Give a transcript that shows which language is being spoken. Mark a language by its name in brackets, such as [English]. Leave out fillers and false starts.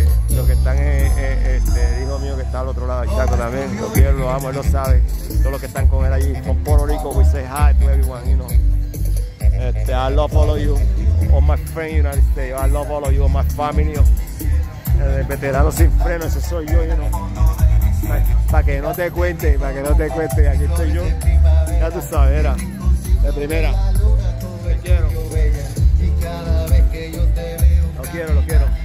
[Spanish] Los que están el hijo mío que está al otro lado del chaco también, lo quiero, lo amo, él lo sabe. Todos los que están con él allí, con Puerto Rico, [English] we say hi to everyone, you know. I love all of you, all my friends in the United States. I love all of you, all my family. [Spanish] El veterano sin freno, ese soy yo, [English] you know. [Spanish] Para que no te cuente, aquí estoy yo. Ya tú sabes, era de primera. Te quiero. Lo quiero.